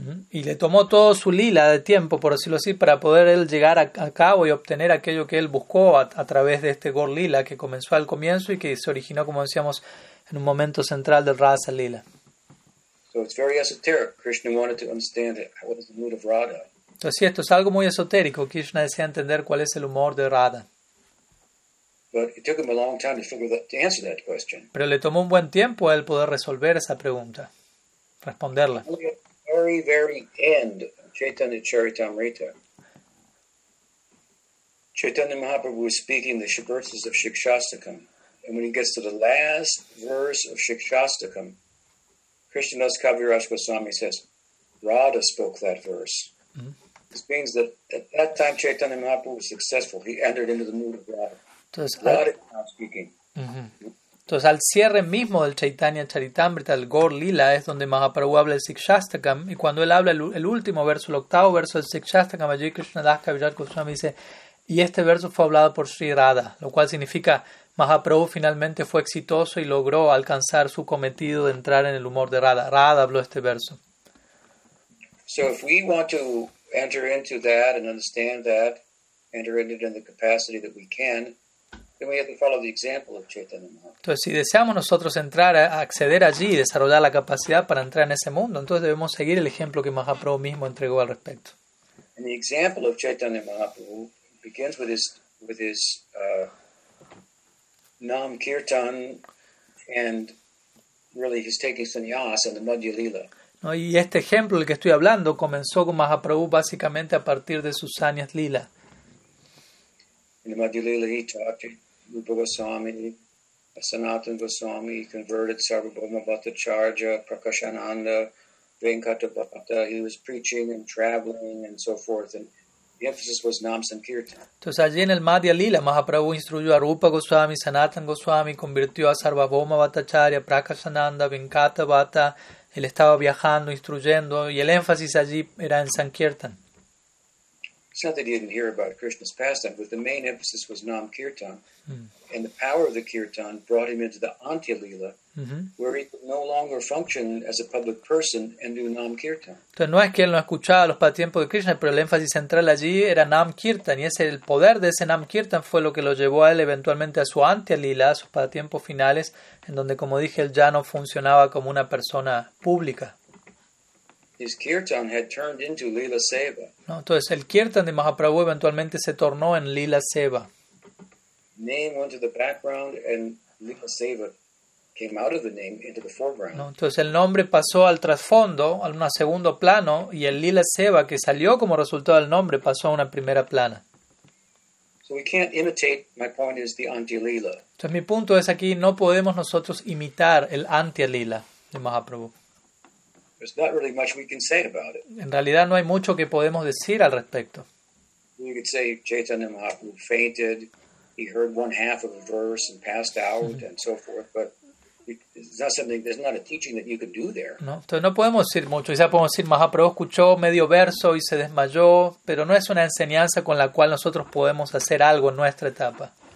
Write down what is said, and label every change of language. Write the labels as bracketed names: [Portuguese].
[Spanish] Y le tomó todo su lila de tiempo, por decirlo así, para poder él llegar a cabo y obtener aquello que él buscó a través de este Gaura Lila que comenzó al comienzo y que se originó, como decíamos, en un momento central del Rasa Lila. [English] So it's very esoteric. Krishna wanted to understand what is the mood of Radha. [Spanish] Entonces, sí, esto es algo muy esotérico. Krishna desea entender cuál es el humor de Radha. [English] But it took him a long time to answer that question. [Spanish] Pero le tomó un buen tiempo a él poder resolver esa pregunta, responderla. [English] Very, very end of Chaitanya Charitamrita. Chaitanya Mahaprabhu was speaking the verses of Shikshastakam. And when he gets to the last verse of Shikshastakam, Krishnadas Kaviraj Goswami says, Radha spoke that verse. Mm-hmm. This means that at that time Chaitanya Mahaprabhu was successful. He entered into the mood of Radha. [Spanish] Entonces, [English] Radha is now speaking. Mm-hmm. [Spanish] Entonces, al cierre mismo del Chaitanya Charitamrita, el Gaura Lila, es donde Mahaprabhu habla el Shikshastakam, y cuando él habla el último verso, el octavo verso del Shikshastakam, allí Krishnadas Kaviraj Goswami dice, y este verso fue hablado por Sri Radha, lo cual significa Mahaprabhu finalmente fue exitoso y logró alcanzar su cometido de entrar en el humor de Radha. Radha habló este verso. [English] So if we want to enter into that and understand that, enter into it in the capacity that we can, then we have to follow the example of Chaitanya Mahaprabhu. [Spanish] Entonces, si deseamos nosotros entrar a acceder allí y desarrollar la capacidad para entrar en ese mundo, entonces debemos seguir el ejemplo que Mahaprabhu mismo entregó al respecto. [English] And the example of Chaitanya Mahaprabhu begins with his Nam Kirtan, and really he's taking sannyas and the Madhya Lila. [Spanish] ¿No? Y este ejemplo del que estoy hablando comenzó con Mahaprabhu básicamente a partir de sus sannyas lila. [English] In the Madhya Lila, he taught Rupa Goswami, Sanatan Goswami, he converted Sarvabhauma Bhattacharya, Prakashananda, Venkata Bhatta. He was preaching and traveling and so forth. And the emphasis was Nam Sankirtan. [Spanish] Entonces, allí en el Madhya Lila, Mahaprabhu instruyó a Rupa Goswami, Sanatan Goswami, convirtió a Sarvabhauma Bhattacharya, Prakashananda, Venkata Bhatta. Él estaba viajando, instruyendo, y el énfasis allí era en Sankirtan. [English] It's not that he didn't hear about Krishna's pastime, but the main emphasis was Nam Kirtan. And the power of the Kirtan brought him into the Antya Lila, where he could no longer function as a public person and do Nam Kirtan. [Spanish] Entonces, no es que él no escuchaba los pasatiempos de Krishna, pero el énfasis central allí era Nam Kirtan. Y ese, el poder de ese Nam Kirtan fue lo que lo llevó a él eventualmente a su Antya Lila, a sus pasatiempos finales, en donde, como dije, él ya no funcionaba como una persona pública. [English] His kirtan had turned into Lila Seva. [Spanish] No, entonces el kirtan de Mahaprabhu eventualmente se tornó en Lila Seva. [English] name went to the background and Lipa Seva came out of the name into the foreground. [Spanish] No, entonces el nombre pasó al trasfondo, a un segundo plano, y el Lila Seva que salió como resultado del nombre pasó a una primera plana. [English] So we can't imitate, my point is, the anti-lila. [Spanish] Entonces mi punto es aquí, no podemos nosotros imitar el anti-lila de Mahaprabhu. [English] There's not really much we can say about it. [Spanish] En realidad no hay mucho que podemos decir al respecto. [English] You could say Chaitanya Mahaprabhu fainted, he heard one half of a verse and passed out, mm-hmm. and so forth, but there's not a teaching that you could do there. [Spanish] No, entonces no podemos decir mucho. Quizá podemos decir, Mahaprabhu escuchó medio verso y se desmayó, pero no es una enseñanza con la cual nosotros podemos hacer algo en nuestra etapa.